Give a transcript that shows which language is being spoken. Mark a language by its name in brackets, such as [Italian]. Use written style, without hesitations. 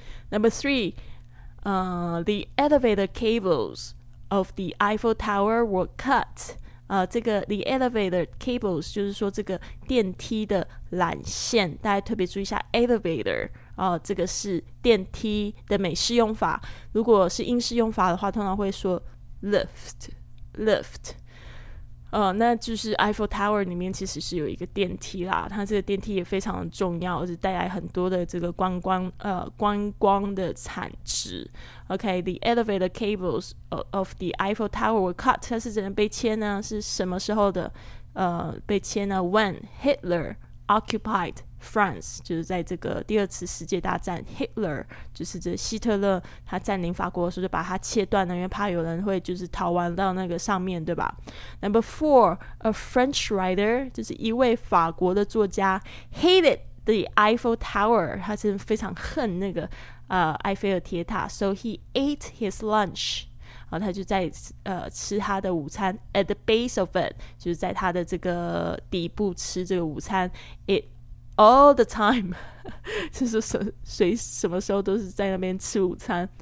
[English] Number three， the elevator cables of the Eiffel Tower were cut， [Chinese] 这个 [English] the elevator cables [Chinese] 就是说这个电梯的缆线，大家特别注意一下 elevator，这个是电梯的美式用法，如果是英式用法的话通常会说 lift，那就是 Eiffel Tower 里面其实是有一个电梯啦，它这个电梯也非常重要，是带来很多的这个观光的产值。 [English] OK， the elevator cables of the Eiffel Tower were cut， [Chinese] 它是怎样被切呢？是什么时候的被切呢？ [English] When Hitler occupied France， [Chinese] 就是在这个第二次世界大战， Hitler 就是这希特勒他占领法国的时候就把它切断了，因为怕有人会就是逃亡到那个上面，对吧。 [English] Number four， a French writer， [Chinese] 就是一位法国的作家， [English] hated the Eiffel Tower， [Chinese] 他真的非常恨那个埃菲尔铁塔， [English] so he ate his lunch， [Chinese] 然后他就在吃他的午餐， [English] at the base of it， [Chinese] 就是在他的这个底部吃这个午餐， [English] itAll the time， [Chinese] 就是谁什么时候都是在那边吃午餐。